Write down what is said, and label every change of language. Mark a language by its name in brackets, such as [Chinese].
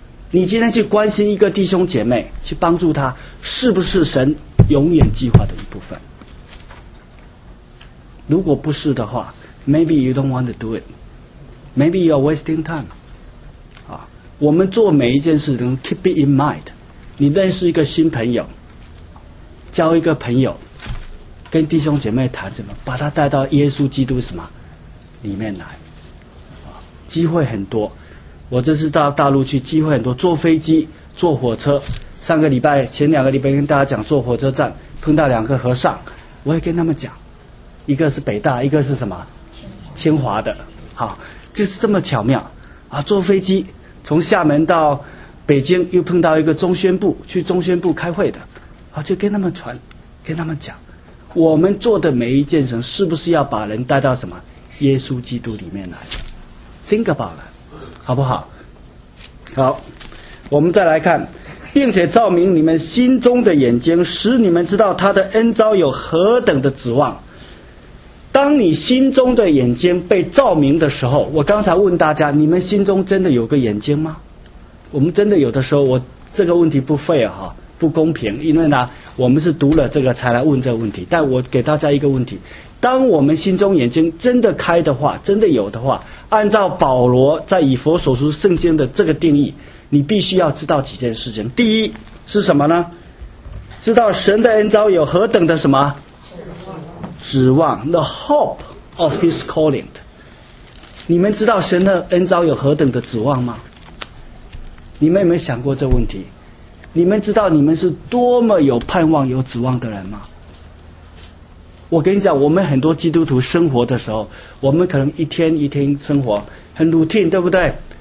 [Chinese] 你今天去关心一个弟兄姐妹，去帮助他，是不是神永远计划的一部分？如果不是的话， [English] maybe you don't want to do it， maybe you are wasting time。 [Chinese] 我们做每一件事情 [English] keep it in mind。 [Chinese] 你认识一个新朋友，交一个朋友，跟弟兄姐妹谈什么，把他带到耶稣基督什么里面来，机会很多。我这次到大陆去，机会很多，坐飞机坐火车，上个礼拜前两个礼拜跟大家讲，坐火车站碰到两个和尚，我也跟他们讲，一个是北大，一个是什么清华的，好，就是这么巧妙啊。坐飞机从厦门到北京，又碰到一个中宣部，去中宣部开会的，啊，就跟他们传，跟他们讲，我们做的每一件事，是不是要把人带到什么耶稣基督里面来？ [English] Think about it， [Chinese] 好不好？好，我们再来看，并且照明你们心中的眼睛，使你们知道他的恩召有何等的指望。当你心中的眼睛被照明的时候，我刚才问大家，你们心中真的有个眼睛吗？我们真的有的时候，我这个问题不费哈，不公平，因为呢，我们是读了这个才来问这个问题。但我给大家一个问题：当我们心中眼睛真的开的话，真的有的话，按照保罗在以弗所书圣经的这个定义，你必须要知道几件事情。第一是什么呢？知道神的恩召有何等的什么？指望 [English] ，the hope of his calling。 [Chinese] 你们知道神的恩召有何等的指望吗？你们有没有想过这问题？你们知道你们是多么有盼望、有指望的人吗？我跟你讲，我们很多基督徒生活的时候，我们可能一天一天生活很 routine， 对不对？